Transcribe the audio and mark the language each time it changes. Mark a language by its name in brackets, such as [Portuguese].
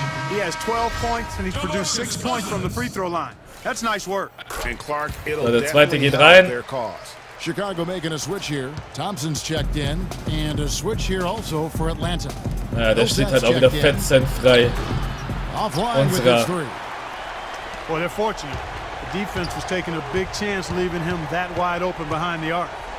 [English] He has 12 points and he's produced 6 points from the free throw line. That's nice work. [German] And Clark, it'll so, der zweite geht rein. [English] Chicago making a switch here. Thompson's checked in and a switch here also for Atlanta. [German] Ja, der steht halt auch wieder fett zentfrei. [English] Well, they're fortunate. The defense was taking a big chance leaving him that wide open behind the arc.